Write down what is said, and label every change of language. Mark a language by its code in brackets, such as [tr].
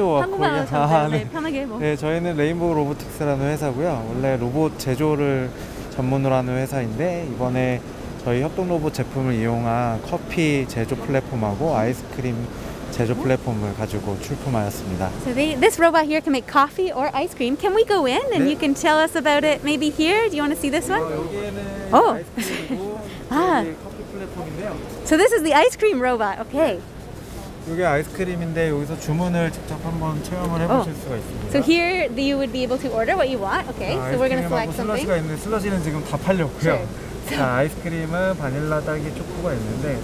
[ko] 한국말로 전달해 편하게 뭐. 네, 저희는 레인보우 로보틱스라는 회사고요. 원래 로봇 제조를 전문으로 하는 회사인데 이번에 저희 협동로봇 제품을 이용한 커피 제조 플랫폼하고 아이스크림 제조 플랫폼을 가지고 출품하였습니다. [en] So this robot here can make coffee or ice cream. Can we go in and 네. you can tell us about it maybe here? Do you want to see this one? [ko] 여기에는 oh. 아이스크림이고 아. 커피 플랫폼인데요. [en] So this is the ice cream robot. Okay. [ko] 이게 아이스크림인데 여기서 주문을 직접 한번 체험을 해보실 oh. 수가 있습니다. [en] So here you would be able to order what you want. Okay. So we're going to select something. [ko] 슬러시가 있는데 슬러시는 지금 다 팔렸고요. [en] Sure. [ko] 자, 아이스크림은 바닐라 딸기 초코가 있는데